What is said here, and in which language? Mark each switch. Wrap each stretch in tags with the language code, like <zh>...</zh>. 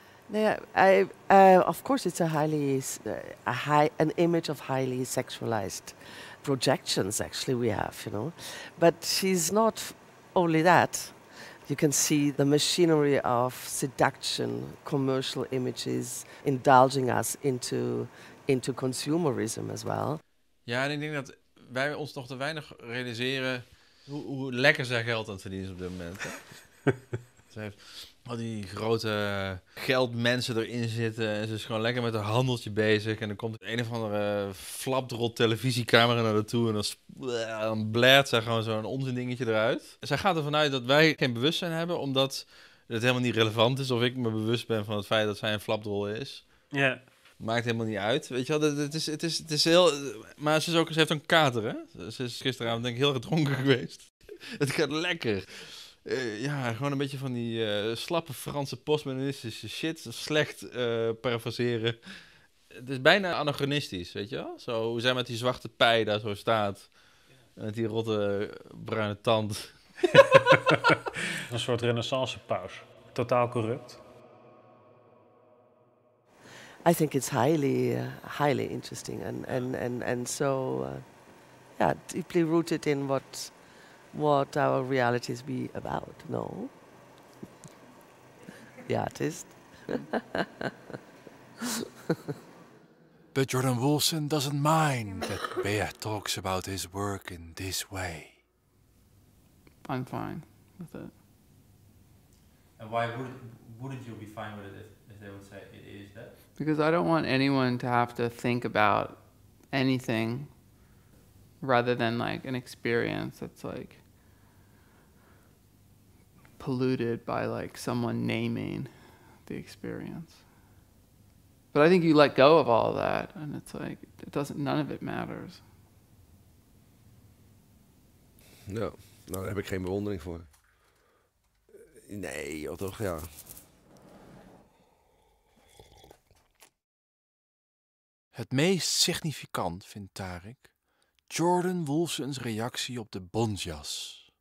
<en>Of course, it's an image of highly sexualized projections, actually, we have, you know. But she's not only that. You can see the machinery of seduction, commercial images, indulging us into consumerism as well.</en> <nl>Ja, en ik denk dat wij ons nog te weinig realiseren hoe lekker zij geld aan het verdienen is op dit moment. Ze heeft al die grote geldmensen erin zitten en ze is gewoon lekker met haar handeltje bezig. En dan komt een of andere flapdrol televisiecamera naar haar toe en dan blaart zij gewoon zo'n onzin dingetje eruit. Zij gaat ervan uit dat wij geen bewustzijn hebben, omdat het helemaal niet relevant is of ik me bewust ben van het feit dat zij een flapdrol is. Ja. Yeah. Maakt helemaal niet uit. Weet je wel, het is heel. Maar ze heeft een kater, hè? Ze is gisteravond, denk ik, heel gedronken geweest. Het gaat lekker. Ja, gewoon een beetje van die slappe Franse postmodernistische shit. Slecht parafraseren. Het is bijna anachronistisch, weet je wel? Zo, hoe zij met die zwarte pij daar zo staat. En met die rotte bruine tand. Een soort renaissance-paus. Totaal corrupt.</nl> <en>I think it's highly, highly interesting, and so, deeply rooted in what our realities be about, no? The artist. But Jordan Wilson doesn't mind that Bea talks about his work in this way. I'm fine with it. And why wouldn't you be fine with it if they would say it is that? Because I don't want anyone to have to think about anything rather than like an experience that's like polluted by like someone naming the experience. But I think you let go of all of that and it's like, it doesn't, none of it matters.</en> <nl>No, daar heb ik geen bewondering voor. Nee, joh, toch, ja. Het meest significant, vindt Tarik, Jordan Wolfson's reactie op de bondjas.</nl>